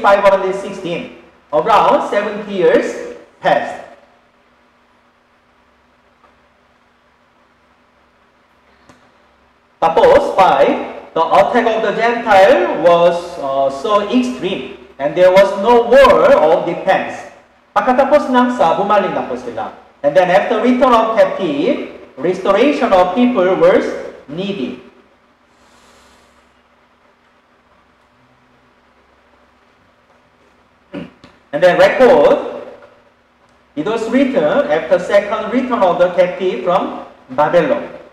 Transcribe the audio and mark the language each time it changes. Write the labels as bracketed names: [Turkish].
[English] 516, around 70 years passed. Tapos, five, the attack of the Gentile was so extreme, and there was no war of defense. [Filipino] Pagkatapos nang sa bumaling na po sila. [English] And then after return of captive, restoration of people was needed. And then record, it was written after second return of the captive from Babylon.